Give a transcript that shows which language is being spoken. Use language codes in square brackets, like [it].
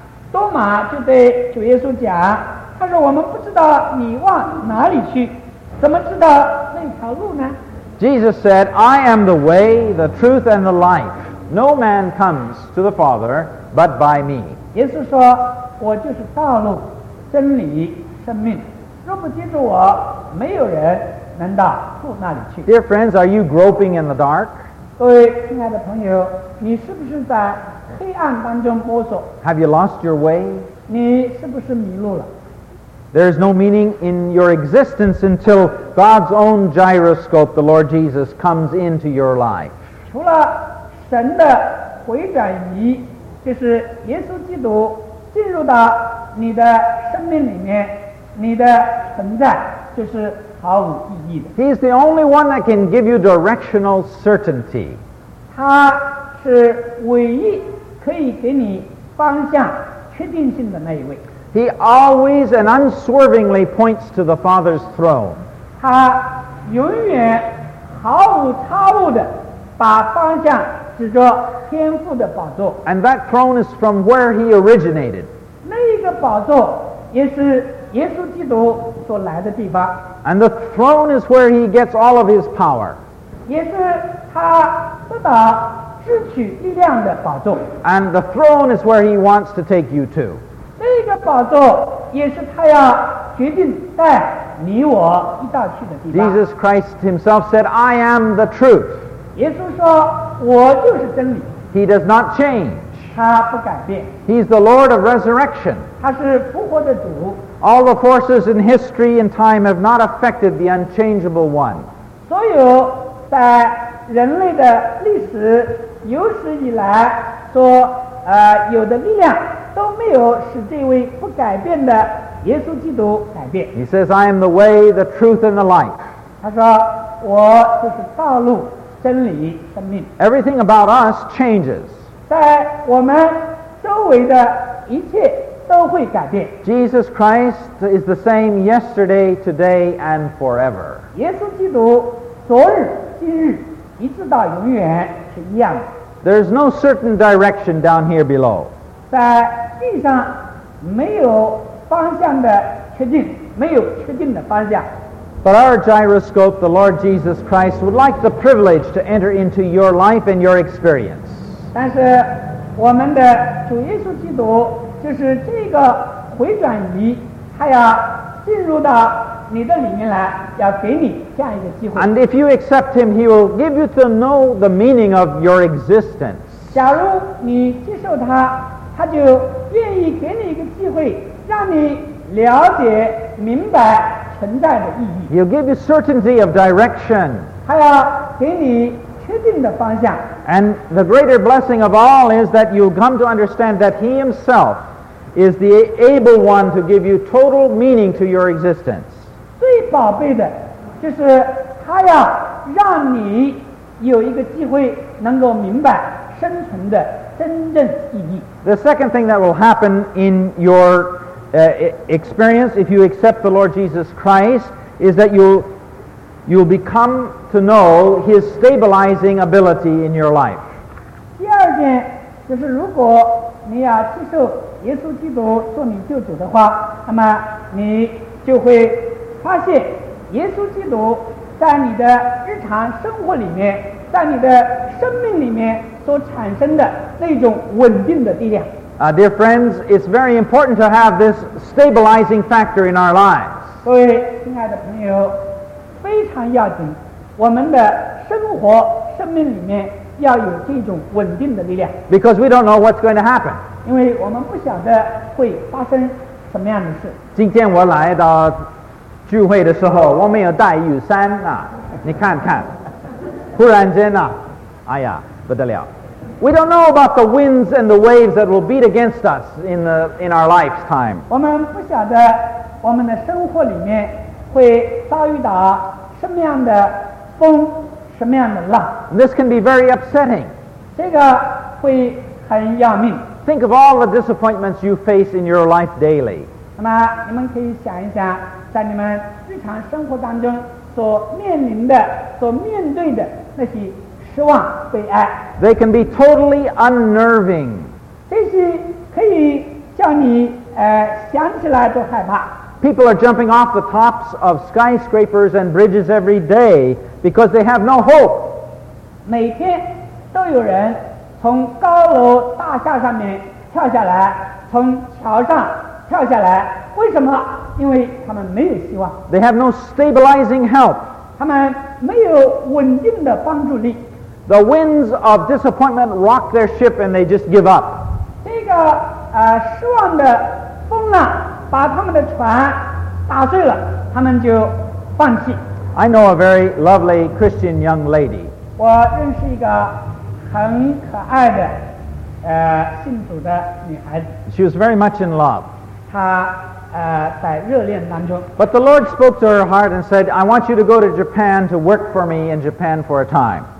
[zh] 托马就对主耶稣讲，他说我们不知道你往哪里去，怎么知道那条路呢？ [en] Jesus said, I am the way, the truth, and the life. No man comes to the Father but by me. [zh] 耶稣说，我就是道路、真理、生命。若不借着我，没有人能到父那里去。 [en] Dear friends, are you groping in the dark? [zh] 各位亲爱的朋友，你是不是在黑暗当中摸索？ [en] Have you lost your way? [zh] 你是不是迷路了？ [en] There is no meaning in your existence until God's own gyroscope, the Lord Jesus, comes into your life. [zh] 除了神的回转仪，就是耶稣基督进入到你的生命里面，你的存在就是毫无意义的。 [en] He is the only one that can give you directional certainty. [zh] 他是唯一可以给你方向确定性的那一位。 [en] He always and unswervingly points to the Father's throne. [zh] 他永远毫无他物的把方向指着天父的宝座。 [en] And that throne is from where he originated. [zh] 那个宝座也是耶稣基督所来的地方。 [en] And the throne is where he gets all of his power. [zh] 也是他得到支取力量的宝座。 [en] And the throne is where he wants to take you to. [zh] 那个宝座也是他要决定带你我一道去的地方。 [en] Jesus Christ himself said, I am the truth. [zh] 耶稣说我就是真理。 [en] He does not change. [zh] 他不改变。 [en] He's the Lord of resurrection. [zh] 他是复活的主。 [en] All the forces in history and time have not affected the unchangeable one. [zh] 所有在人类的历史有史以来所有的力量都没有使这位不改变的耶稣基督改变。 [en] He says, I am the way, the truth, and the life. [zh] 他说我就是道路、真理、生命。 [en] Everything about us changes. [zh] 在我们周围的一切都会改变。 [en] Jesus Christ is the same yesterday, today, and forever. [zh] 耶稣基督昨日、今日一直到永远是一样的。 [en] There is no certain direction down here below. [zh] 在地上没有方向的确定，没有确定的方向。 [en] But our gyroscope, the Lord Jesus Christ, would like the privilege to enter into your life and your experience. [zh] 但是我们的主耶稣基督就是这个回转仪，他要进入到你的里面来，要给你这样一个机会。 [en] And if you accept him, he will give you to know the meaning of your existence. [zh] 假如你接受他，他就愿意给你一个机会，让你了解明白存在的意义。 [en] He'll give you certainty of direction. [zh] 他要给你确定的方向。 [en] And the greater blessing of all is that you'll come to understand that he himself is the able one to give you total meaning to your existence. [zh] 最宝贝的就是他要让你有一个机会能够明白生存的真正意义。 [en] The second thing that will happen in your experience if you accept the Lord Jesus Christ is that you'll become to know his stabilizing ability in your life. [zh] 第二件就是如果你要接受耶稣基督做你救主的话，那么你就会发现耶稣基督在你的日常生活里面，在你的生命里面所产生的那种稳定的力量。 [en] Dear friends, it's very important to have this stabilizing factor in our lives. [zh] 各位亲爱的朋友，非常要紧，我们的生活、生命里面要有这种稳定的力量。 [en] Because we don't know what's going to happen. [zh] 因为我们不晓得会发生什么样的事。今天我来到聚会的时候，我没有带雨伞啊，你看看，忽然间啊，哎呀，不得了。 [en] We don't know about the winds and the waves that will beat against us in our life's time. [zh] 我们不晓得我们的生活里面会遭遇到什么样的风，什么样的浪。 [en] This can be very upsetting. [zh] 这个会很要命。 [en] Think of all the disappointments you face in your life daily. [zh] 那么你们可以想一想，在你们日常生活当中所面临的所面对的那些失望悲哀 [en] They can be totally unnerving [zh] 这些可以叫你想起来都害怕 [en] People are jumping off the tops of skyscrapers and bridges every day because they have no hope. [zh] 每天都有人从高楼大厦上面跳下来，从桥上跳下来。为什么？因为他们没有希望。 [en] They have no stabilizing help. [zh] 他们没有稳定的帮助力。 [en] The winds of disappointment rock their ship and they just give up. [zh] 这个失望的风浪。把他们的船打碎了，他们就放弃。 [en] I know a very lovely Christian young lady. [zh] 我认识一个很可爱的信主的女孩子。 [en] She was very much in love. [zh] 她在热恋当中。 [en] But the Lord spoke to her heart and said, I want you to go to Japan to work for me in Japan for a time.